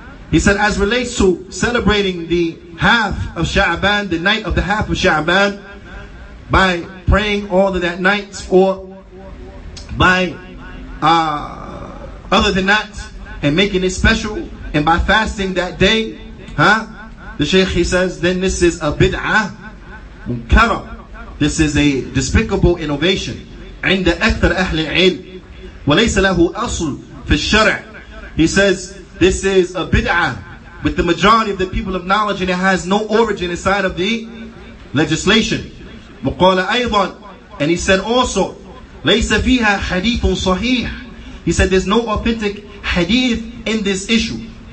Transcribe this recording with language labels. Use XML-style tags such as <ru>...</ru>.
<en>He said, as relates to celebrating the half of Sha'ban, the night of the half of Sha'ban, by praying all of that night, or by other than that, and making it special, and by fasting that day, huh? The Shaykh, he says, then this is a bid'ah, munkara. This is a despicable innovation.</en> <ar>عند أكثر أهل العلم وليس له أصل في الشرع.</ar> <en>He says, this is a bid'ah with the majority of the people of knowledge, and it has no origin inside of the legislation.</en> <ar>وَقَالَ أَيْضًا,</ar> <en>and he said also,</en> <ar>لَيْسَ فِيهَا حَدِيثٌ صَحِيحٌ.</ar> <en>He said there's no authentic hadith in this issue.</en>